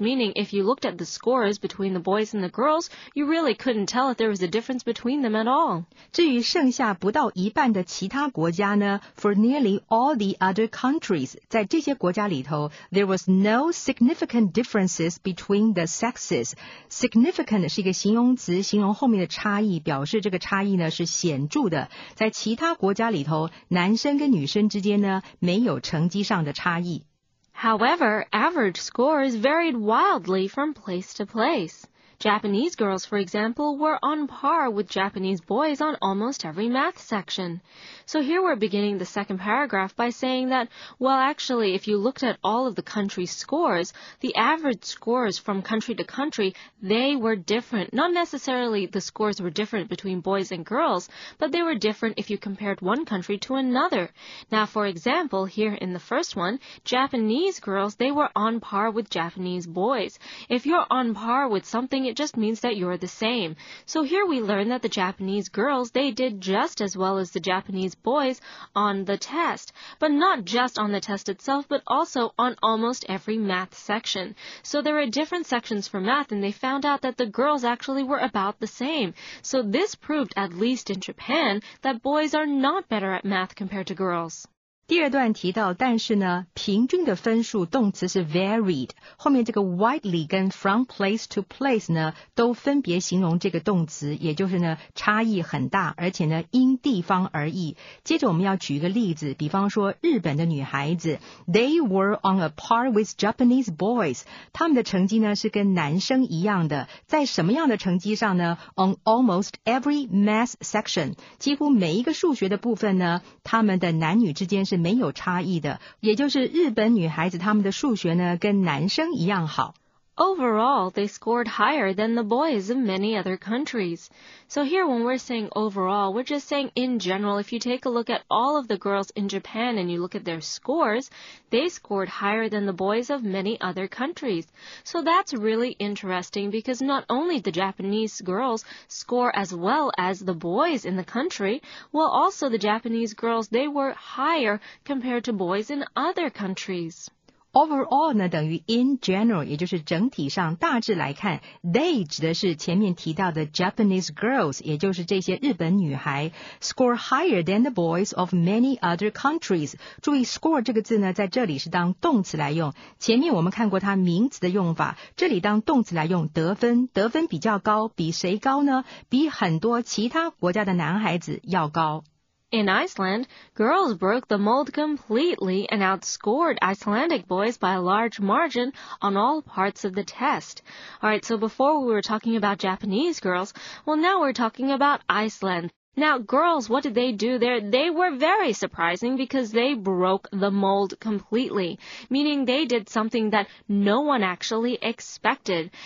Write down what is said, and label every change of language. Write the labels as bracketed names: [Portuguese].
[English] Meaning if you looked at the scores between the boys and the girls, you really couldn't tell if there was a difference between them at all. [Chinese] 至于剩下不到一半的其他国家呢, [English] for nearly all the other countries, [Chinese] 在这些国家里头, [English] there was no significant differences between the sexes. [Chinese] Significant 是一个形容词，形容后面的差异，表示这个差异呢是显著的。在其他国家里头，男生跟女生之间呢，没有成绩上的差异。 [English] However, average scores varied wildly from place to place. Japanese girls, for example, were on par with Japanese boys on almost every math section. So here we're beginning the second paragraph by saying that, well, actually, if you looked at all of the country's scores, the average scores from country to country, they were different. Not necessarily the scores were different between boys and girls, but they were different if you compared one country to another. Now, for example, here in the first one, Japanese girls, they were on par with Japanese boys. If you're on par with something, it just means that you're the same. So here we learn that the Japanese girls, they did just as well as the Japanese boys on the test, but not just on the test itself, but also on almost every math section. So there are different sections for math, and they found out that the girls actually were about the same. So this proved, at least in Japan, that boys are not better at math compared to girls. [Chinese] 第二段提到但是呢平均的分数动词是 varied, 后面这个 widely 跟 [English] from place to place [Chinese] 呢都分别形容这个动词也就是呢差异很大而且呢因地方而异。接着我们要举一个例子比方说日本的女孩子 , [English] they were on a par with Japanese boys, [Chinese] 他们的成绩呢是跟男生一样的在什么样的成绩上呢 ? [English] on almost every math section, [Chinese] 几乎每一个数学的部分呢他们的男女之间是没有差异的，也就是日本女孩子她们的数学呢，跟男生一样好。 [English] Overall, they scored higher than the boys in many other countries. So here when we're saying overall, we're just saying in general, if you take a look at all of the girls in Japan and you look at their scores, they scored higher than the boys of many other countries. So that's really interesting because not only the Japanese girls score as well as the boys in the country, well also the Japanese girls, they were higher compared to boys in other countries. [Chinese] Overall 呢等于 [English] in general, [Chinese] 也就是整体上大致来看 they 指的是前面提到的 [English] Japanese girls, [Chinese] 也就是这些日本女孩 [English] score higher than the boys of many other countries. [Chinese] 注意 score 这个字呢在这里是当动词来用前面我们看过它名词的用法这里当动词来用得分得分比较高比谁高呢比很多其他国家的男孩子要高。 [English] In Iceland, girls broke the mold completely and outscored Icelandic boys by a large margin on all parts of the test. All right, so before we were talking about Japanese girls, well, now we're talking about Iceland. Now, girls, what did they do there? They were very surprising because they broke the mold completely, meaning they did something that no one actually expected.